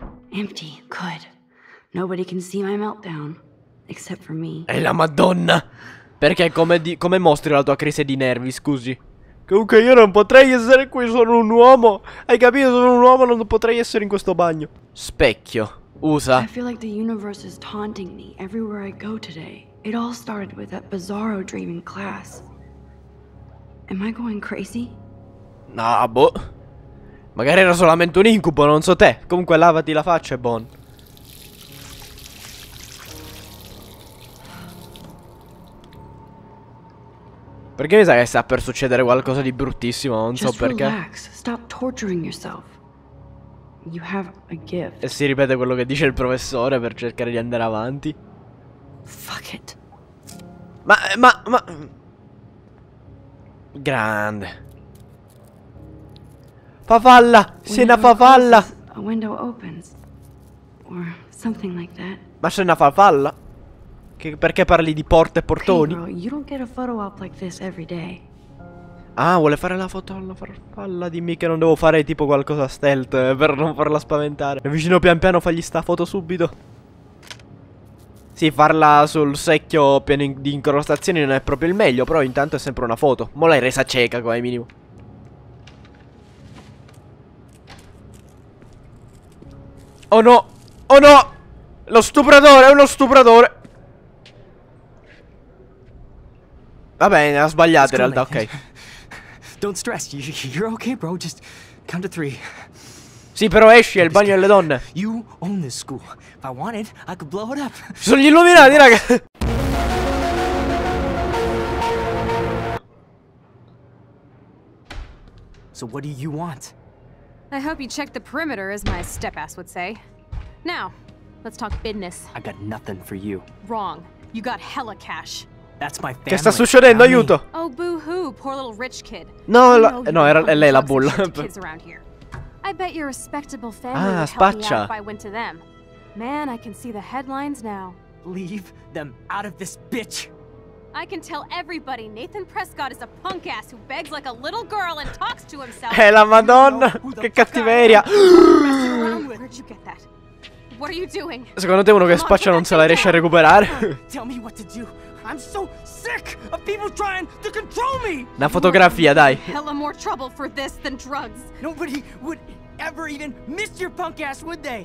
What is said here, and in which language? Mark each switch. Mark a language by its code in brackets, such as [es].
[en] Empty, good. Nobody can see my meltdown, except for me. [it] E la Madonna! Perché come mostri la tua crisi di nervi, scusi? Comunque io non potrei essere qui, sono un uomo. Hai capito? Sono un uomo, non potrei essere in questo bagno. Specchio, usa. [en] I feel like the universe is taunting me everywhere I go today. It all started with that bizarro dream in class. Am I going crazy? Nah, boh. [it] Magari era solamente un incubo, non so te. Comunque lavati la faccia e buon. Perché mi sa che sta per succedere qualcosa di bruttissimo, non [en] just [it] so perché. [en] Relax. Stop torturing yourself. You have a gift. [it] E si ripete quello che dice il professore per cercare di andare avanti. [en] Fuck it. [it] Ma grande. Fafalla, sei una fafalla. [en] A window opens or something like that. [it] Ma sei una fafalla? Perché parli di porte e portoni? [en] You don't get a photo op like this every day. [it] Ah, vuole fare la foto alla farfalla. Dimmi che non devo fare tipo qualcosa stealth per non farla spaventare. Mi avvicino pian piano, fagli sta foto subito. Sì, farla sul secchio pieno di incrostazioni non è proprio il meglio, però intanto è sempre una foto. Mo l'hai resa cieca come minimo. Oh no! Oh no! Lo stupratore è uno stupratore! Va bene, ha sbagliato in realtà, ok. [en] Don't stress, you're okay, bro. Just count to three. [it] Sì, però esci, è il bagno delle donne. [en] You own this school. If I wanted, I could blow it up. [it] Sono gli illuminati, raga! [en] So what do you want? I hope you check the perimeter, as my step-ass would say. Now, let's talk business. I got nothing for you. Wrong. You got hella cash. That's my family. [it] Che sta succedendo? Aiuto! [en] Oh, boo-hoo, poor little rich kid. [it] No, no, era lei la bulla. [en] I bet your respectable family would help me out if I went to them. Man, I can see the headlines now. Leave them out of this, bitch! I can tell everybody Nathan Prescott is a punk ass who begs like a little girl and talks to himself. [it] È la Madonna! Che cattiveria! [en] Where'd you get that? What are you doing? [it] Secondo te uno che spaccia non se la riesce a recuperare? [en] Tell me what to do. I'm so sick of people trying to control me. [it] Una fotografia, dai. [en] Hella more trouble for this than drugs. Nobody would ever even miss your punk ass, would they?